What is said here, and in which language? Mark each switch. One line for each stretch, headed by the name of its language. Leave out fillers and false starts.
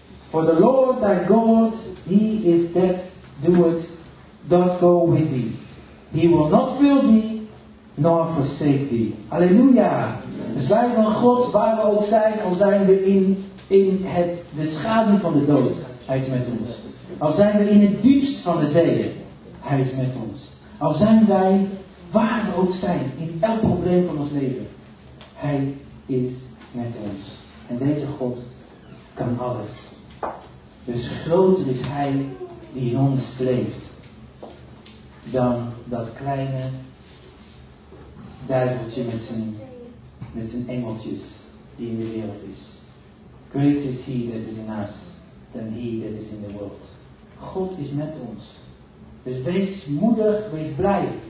English: For the Lord thy God, he is that doth go with thee. He will not fail thee, nor forsake thee. Halleluja.
Dutch: Dus wij van God, waar we ook zijn, al zijn we in de schaduw van de dood. Hij is met ons. Al zijn we in het diepst van de zeeën, hij is met ons. Al zijn wij waar we ook zijn, in elk probleem van ons leven, hij is met ons. En deze God kan alles. Dus groter is hij die in ons leeft dan dat kleine duiveltje met zijn engeltjes die in de wereld is.
English: Greater is he that is in us than he that is in the world.
Dutch: God is met ons. Dus wees moedig, wees blij.